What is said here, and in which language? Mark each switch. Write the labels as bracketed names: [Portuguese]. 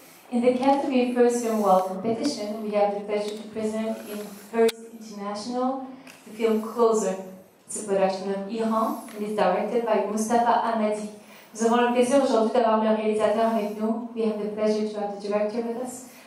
[English] In the category of First Film World Competition, we have the pleasure to present in First International the film Closer. It's a production of Iran and is directed by Mostafa Ahamdi. [French] Nous avons le plaisir aujourd'hui d'avoir le réalisateur avec nous. [English] We have the pleasure to have the director with us.